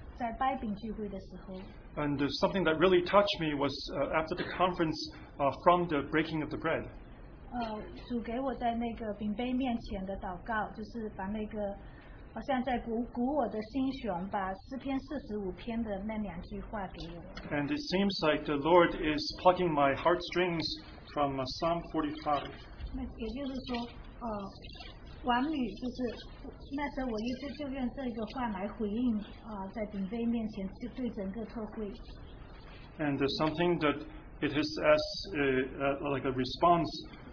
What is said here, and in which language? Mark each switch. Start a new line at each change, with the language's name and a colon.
Chinese: 那呀，我自己很摸着的，就是不知道为什么，就是整个特会完，在掰饼聚会的时候。
English: And something that really touched me was after the conference, from the breaking of the bread.
Chinese: 主给我在那个饼杯面前的祷告，就是把那个好像在鼓我的心弦，把诗篇45篇的那两句话给我。
English: And it seems like the Lord is plucking my heartstrings from Psalm 45.
Chinese: 那也就是说，王女就是那时候我一直就用这个话来回应在饼杯面前对整个特会。
English: And there's something that it is as like a response.